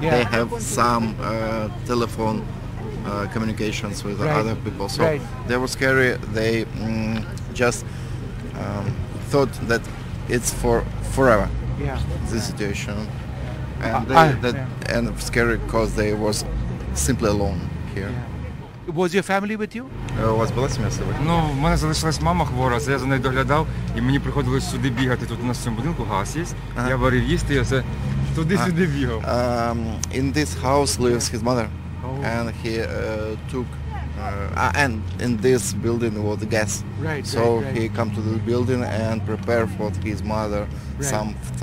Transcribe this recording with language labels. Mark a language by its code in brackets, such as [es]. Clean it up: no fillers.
[en] Yeah. they have some telephone communications with right. other people. So right. they were scary. They just thought that it's for forever, yeah. this situation. And, yeah. and scary because they was simply alone here. Yeah. Was your family with you? [uk] У вас була сім'я з собою? Ну, в мене залишилась мама хвора, це я за нею доглядав, і мені приходилось сюди бігати. Тут у нас в цьому будинку газ є, uh-huh. я варив їсти, я це туди-сюди бігав. [en] In this house lives his mother. Oh. And he took, and in this building was the gas. Right, so right, right. he come to the building and prepare for his mother right.